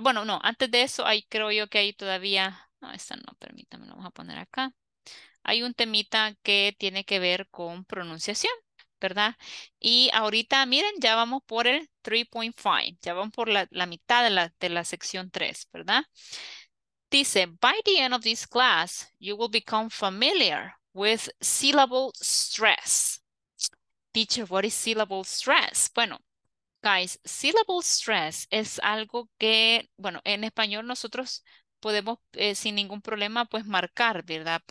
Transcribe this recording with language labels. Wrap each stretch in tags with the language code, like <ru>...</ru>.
<es>Bueno, no, antes de eso, ahí creo yo que hay todavía, no, esta no, permítame, lo vamos a poner acá. Hay un temita que tiene que ver con pronunciación, ¿verdad? Y ahorita, miren, ya vamos por el 3.5, ya vamos por la mitad de la sección 3, ¿verdad? Dice,</es> <en>by the end of this class, you will become familiar with syllable stress. Teacher, what is syllable stress? Bueno, guys, syllable stress</en> <es>es algo que, bueno, en español nosotros podemos sin ningún problema pues marcar, ¿verdad?</es>